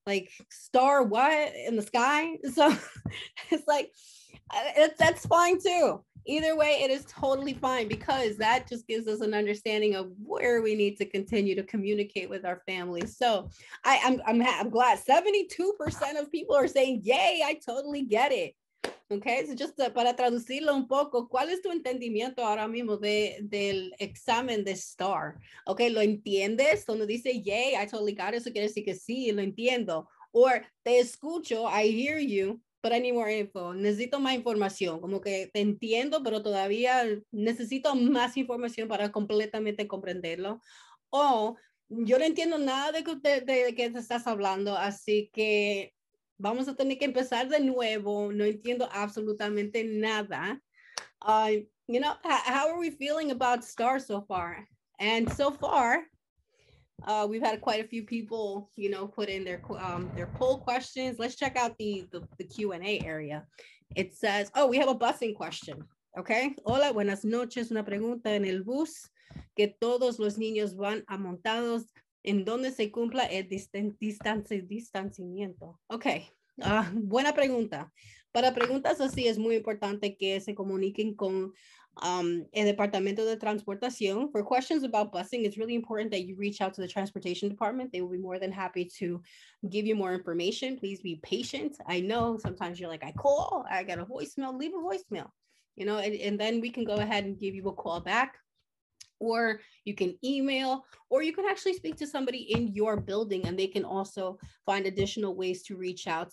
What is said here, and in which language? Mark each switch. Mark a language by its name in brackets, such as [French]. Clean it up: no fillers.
[English] Like, STAR what in the sky? So it's like, that's fine too. Either way, it is totally fine because that just gives us an understanding of where we need to continue to communicate with our families. So I'm glad 72% of people are saying, yay, I totally get it. Okay, so just [Spanish] para traducirlo un poco, ¿cuál es tu entendimiento ahora mismo del examen de STAR? Okay, ¿lo entiendes? Donde dice, [English] yay, I totally got it, [Spanish] eso quiere decir que sí, lo entiendo. [English] Or, [Spanish] te escucho, [English] I hear you, but I need more info. [Spanish] Necesito más información. Como que te entiendo, pero todavía necesito más información para completamente comprenderlo. O, yo no entiendo nada de que te estás hablando, así que vamos a tener que empezar de nuevo. No entiendo absolutamente nada. [English] You know, how are we feeling about STAR so far? And so far, we've had quite a few people, you know, put in their poll questions. Let's check out the Q&A area. It says, oh, we have a busing question. Okay. [Spanish] Hola, buenas noches. Una pregunta en el bus. Que todos los niños van a montados. ¿En dónde se cumpla el distanciamiento? Okay, buena pregunta. Para preguntas así es muy importante que se comuniquen con el Departamento de Transportación. [English] For questions about busing, it's really important that you reach out to the Transportation Department. They will be more than happy to give you more information. Please be patient. I know sometimes you're like, I call, I got a voicemail, leave a voicemail. You know, and then we can go ahead and give you a call back. Or you can email, or you can actually speak to somebody in your building and they can also find additional ways to reach out.